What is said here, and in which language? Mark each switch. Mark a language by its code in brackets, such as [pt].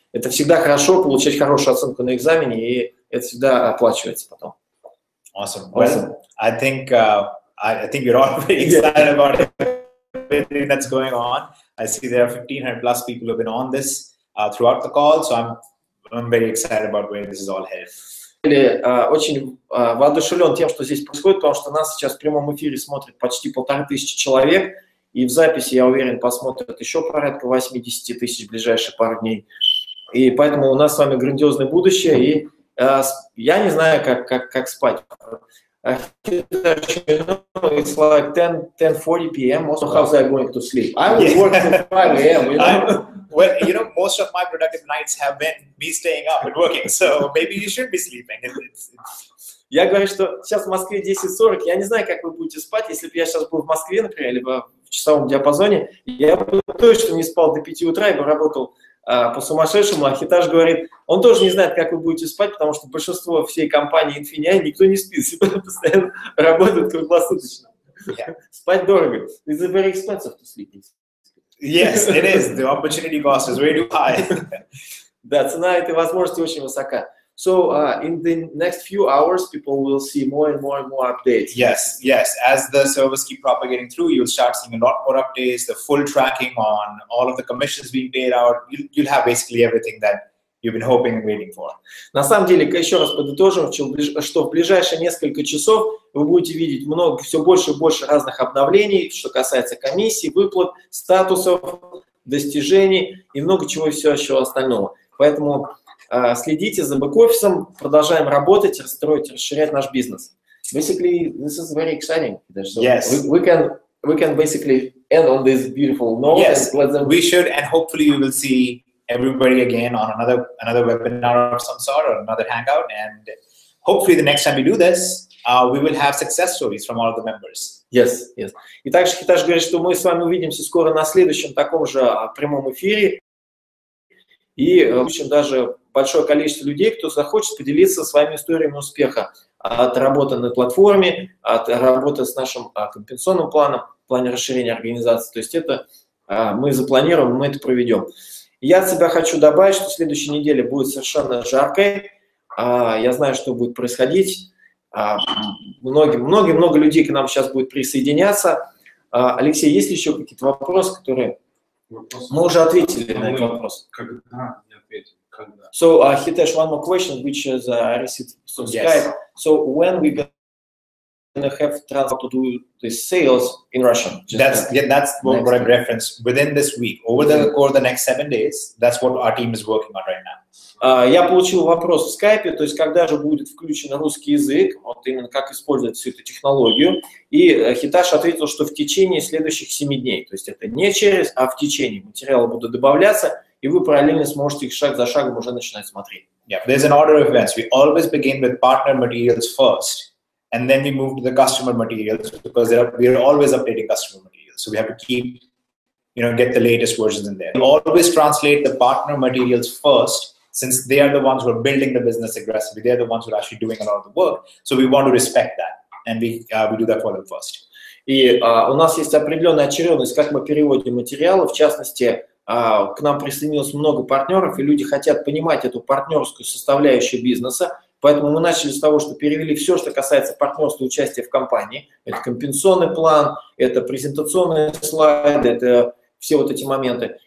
[ru] Это всегда хорошо, получать хорошую оценку на экзамене, и это всегда оплачивается потом. [en] Awesome. Well, awesome. I think you're all very excited about it. Everything that's going on. I see there are 1500 plus people who have been on this throughout the call, so I'm very excited about where this is all headed. [ru] Очень воодушевлен тем, что здесь происходит, потому что нас сейчас в прямом эфире смотрит почти 1500 человек, И в записи, я уверен, посмотрят еще порядка 80 тысяч в ближайшие пару дней. И поэтому у нас с вами грандиозное будущее. И я не знаю, как спать. [en] It's like 10:40 p.m. Also, how's I going to sleep? I will work till 5 a.m. You know? Well, you know, most of my productive nights have been me staying up and working. So maybe you should be sleeping. [ru] Я говорю, что сейчас в Москве 10:40. Я не знаю, как вы будете спать. Если бы я сейчас был в Москве, например, либо в часовом диапазоне, я бы точно не спал до 5 утра, я бы работал по сумасшедшему. Ахитаж говорит, он тоже не знает, как вы будете спать, потому что большинство всей компании Infineon никто не спит, постоянно работают круглосуточно. Спать дорого. [en] It's very expensive to sleep. Yes, it is. The opportunity cost is really high. [ru] Да, цена этой возможности очень высока. [en] So in the next few hours, people will see more and more and more updates. Yes, yes. As the servers keep propagating through, you'll start seeing a lot more updates, the full tracking on all of the commissions being paid out. You'll have basically everything that you've been hoping and waiting for. [ru] На самом деле, еще раз подытожим, что в ближайшие несколько часов вы будете видеть много, все больше и больше разных обновлений, что касается комиссий, выплат, статусов, достижений и много чего еще остального. Поэтому следите за бэк-офисом, продолжаем работать, строить, расширять наш бизнес. [en] Basically, this is very exciting. So yes. We can basically end on this beautiful note. Yes, we should, and hopefully we will see everybody again on another webinar of some sort or another hangout. And hopefully the next time we do this, we will have success stories from all of the members. Yes, yes. [ru] И также Хитаж говорит, что мы с вами увидимся скоро на следующем таком же прямом эфире. И в общем даже большое количество людей, кто захочет поделиться своими историями успеха от работы на платформе, от работы с нашим компенсационным планом, в плане расширения организации. То есть это мы запланируем, мы это проведем. Я от себя хочу добавить, что следующая неделя будет совершенно жаркой. Я знаю, что будет происходить. Много людей к нам сейчас будет присоединяться. Алексей, есть ли еще какие-то вопросы, которые... Вопрос. Мы уже ответили на этот вопрос. Когда не ответил? Когда? [en] So, Hitesh, one more question, which is received from yes. Skype. So, when we gonna have transfer to do the sales in Russian? That's what I referenced. Within this week, the course of the next 7 days, that's what our team is working on right now. [ru] Я получил вопрос в Skype, то есть когда же будет включен русский язык, вот именно как использовать всю эту технологию. И Хитаж ответил, что в течение следующих 7 дней. То есть это не через, а в течение. Материалы будут добавляться, и вы параллельно сможете их шаг за шагом уже начинать смотреть. [en] Yeah, there's an order of events. We always begin with partner materials first, and then we move to the customer materials, because we are always updating customer materials. So we have to keep, you know, get the latest versions in there. We always translate the partner materials first, since they are the ones who are building the business aggressively, they are the ones who are actually doing a lot of the work. So we want to respect that, and we do that for them first. [ru] И у нас есть определенная очередность, как мы переводим материалы. В частности, к нам присоединилось много партнеров, и люди хотят понимать эту партнерскую составляющую бизнеса. Поэтому мы начали с того, что перевели все, что касается партнерства и участия в компании. Это компенсационный план, это презентационные слайды, это все вот эти моменты.